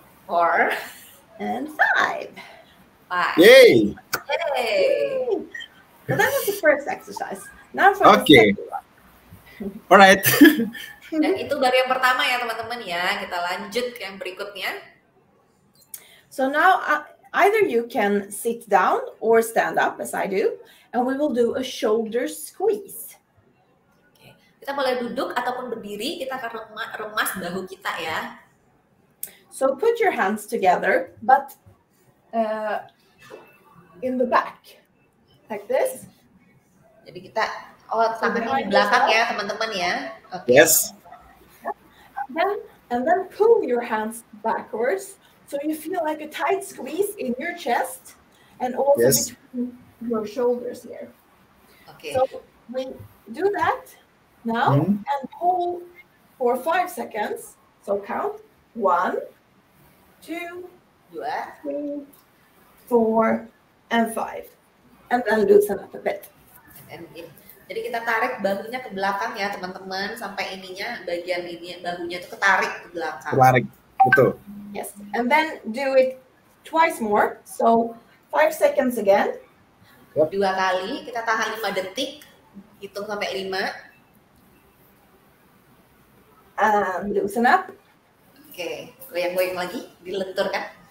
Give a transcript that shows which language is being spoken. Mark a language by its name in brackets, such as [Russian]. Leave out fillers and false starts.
[English] four and 5. Yay! So that was the first exercise. Now for okay. Alright. [Indonesian] Dan itu baru yang pertama ya teman-teman ya. Kita lanjut ke yang berikutnya. [English] So now either you can sit down or stand up as I do, and we will do a shoulder squeeze. Okay. [Indonesian] Kita boleh duduk ataupun berdiri. Kita akan remas bahu kita ya. [English] So put your hands together, but in the back, like this. [Indonesian] Jadi kita tangannya di belakang ya, teman-teman ya. [English] Okay. Yes. And then pull your hands backwards, so you feel like a tight squeeze in your chest and also yes. Between your shoulders here. Okay. So we do that now and hold for 5 seconds. So count 1, 2, 3, 4, and 5, and then loosen up a bit. [Indonesian] Jadi kita tarik bahunya ke belakang ya teman-teman, sampai ininya bagian ini bahunya itu ketarik ke belakang. Ketarik, betul. [English] Yes, and then do it twice more, so 5 seconds again. Yep. [Indonesian] 2 kali, kita tahan 5 detik, hitung sampai 5. [English] And loosen up. [Indonesian] Oke. [English] Okay. [Indonesian] Goyang-goyang lagi, dilenturkan.